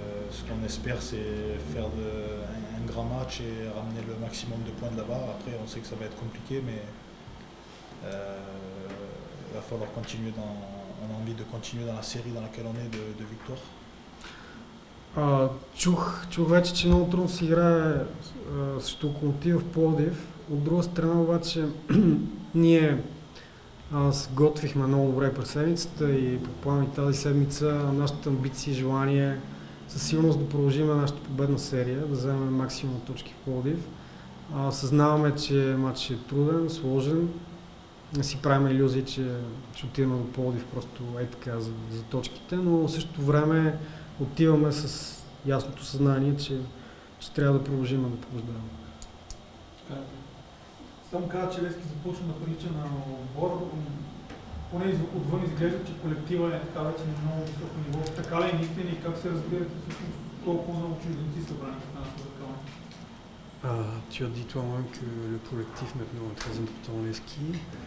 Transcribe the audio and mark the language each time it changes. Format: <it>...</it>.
<fr>Ce qu'on espère, c'est faire un grand match et ramener le maximum de points de là-bas. Après, on sait que ça va être compliqué, mais il va falloir continuer. On a envie de continuer dans la série dans laquelle on est de victoire.</fr> <bg>Чух вече, че много трудно си играе срещу Локомотив в Пловдив. От друга страна обаче, ние се готвихме много добре през седмицата и предполагам и тази седмица нашата амбиция и желание със сигурност да продължим нашата победна серия, да вземем максимум точки в Пловдив. Съзнаваме, че матчът е труден, сложен. Не си правим илюзии, че отиваме до Пловдив просто е така за точките, но в същото време отиваме с ясното съзнание, че трябва да продължим да побеждаваме. Само каза, че Левски започна да прилича на отбор. Поне отвън изглежда, че колектива е така вече на много високо ниво. Така ли е наистина и как се разбирате всъщност Толкова много чужденци събрани в нашата кала.</bg> <fr>Tu as dit toi-même que le collectif maintenant est très important les skis.</fr>